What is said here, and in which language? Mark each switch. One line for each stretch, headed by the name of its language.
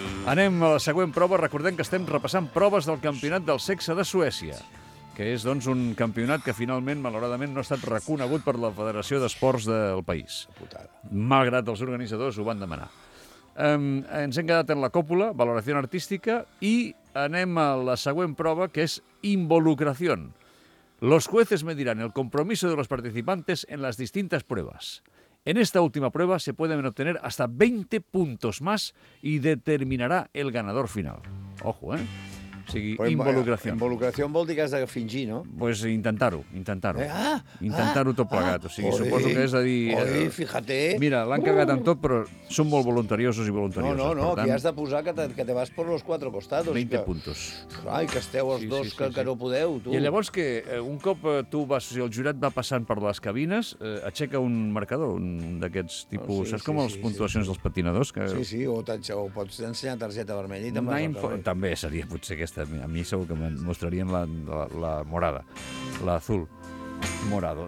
Catalan: Anem a la següent prova. Recordem que estem repassant proves del campionat del sexe de Suècia, que és, doncs, un campionat que finalment, malauradament, no ha estat reconegut per la Federació d'Esports del país. Putada. Malgrat els organitzadors ho van demanar. Ens hem quedat en la còpula, valoració artística, i anem a la següent prova, que és involucració.
Spanish: Los jueces mediran el compromiso de los participantes en las distintas pruebas. En esta última prueba se pueden obtener hasta 20 puntos más y determinará el ganador final.
Catalan: Ojo, ¿eh? O sigui, involucració. Involucració vol dir que has de fingir, no? Pues intentar-ho. Intentar-ho tot plegat. O sigui, oi, suposo que és a dir...
Spanish: Oi, fíjate.
Catalan: Mira, l'han cagat en tot, però són molt voluntariosos i voluntarioses. No, aquí tant... has de posar que
Spanish: te vas por los cuatro costados. 20
Catalan: que...
Spanish: puntos.
Catalan: Ai, que esteu els dos, que no podeu, tu. I llavors, que un cop tu vas... O sigui, el jurat va passant per les cabines, aixeca un marcador d'aquests tipus... Saps com les puntuacions dels patinadors? Que... Sí, o pots ensenyar targeta vermella i te'n vas a carrer. També seria potser aquesta. A mi segur que em mostrarien la morada,
Spanish: l'azul morado.